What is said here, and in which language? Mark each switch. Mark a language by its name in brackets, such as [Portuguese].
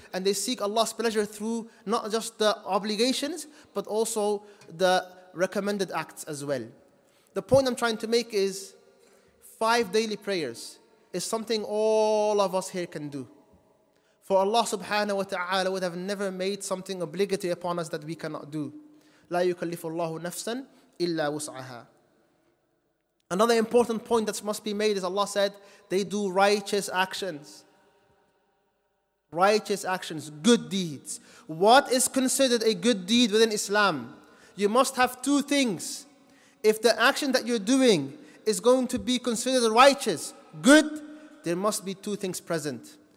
[English] And they seek Allah's pleasure through not just the obligations, but also the recommended acts as well. The point I'm trying to make is 5 daily prayers is something all of us here can do. For Allah subhanahu wa ta'ala would have never made something obligatory upon us that we cannot do. [Arabic] لا يكلف الله نفسا إلا وسعها. [English] Another important point that must be made is Allah said, they do righteous actions. Righteous actions, good deeds. What is considered a good deed within Islam? You must have 2 things. If the action that you're doing is going to be considered righteous, good, there must be 2 things present.